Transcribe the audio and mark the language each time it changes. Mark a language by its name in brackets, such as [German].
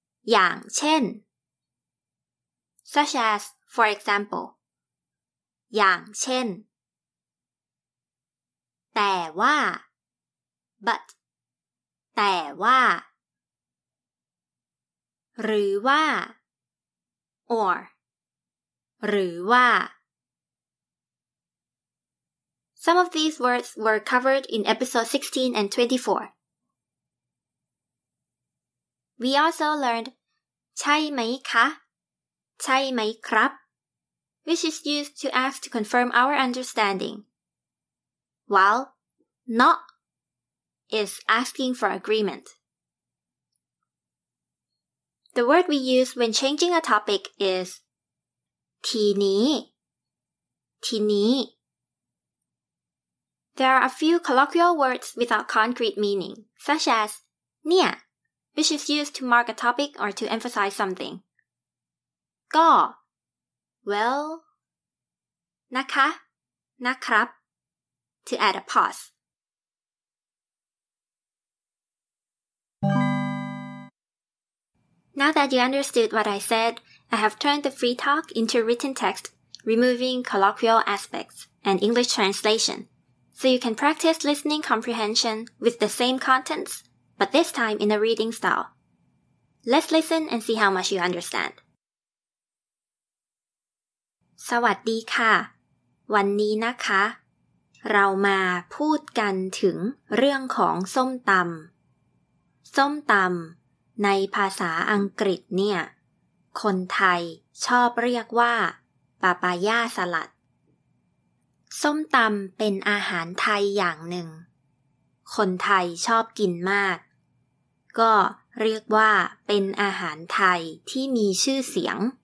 [Thai] อย่างเช่น [English] such as, for example, อย่างเช่น [Thai] แต่ว่า [English] but, แต่ว่า [Thai] หรือว่า [English] or, หรือว่าSome of these words were covered in episode 16 and 24. We also learned [Thai] ใช่ไหมคะ? ใช่ไหมครับ? [English] which is used to ask to confirm our understanding. While not is asking for agreement. The word we use when changing a topic is ทีนี้There are a few colloquial words without concrete meaning, such as เนี่ย which is used to mark a topic or to emphasize something. [Thai] ก็ [English] well, [Thai] นะคะ นะครับ [English] to add a pause. Now that you understood what I said, I have turned the free talk into written text, removing colloquial aspects and English translation. So you can practice listening comprehension with the same contents, but this time in a reading style. Let's listen and see how much you understand. [Thai] สวัสดีค่ะ วันนี้นะคะ เรามาพูดกันถึงเรื่องของส้มตำ ส้มตำในภาษาอังกฤษเนี่ย คนไทยชอบเรียกว่าปาปายาสลัดส้มตำเป็นอาหารไทยอย่างหนึ่งคนไทยชอบกินมากก็เรียกว่าเป็นอาหารไทยที่มีชื่อเสียง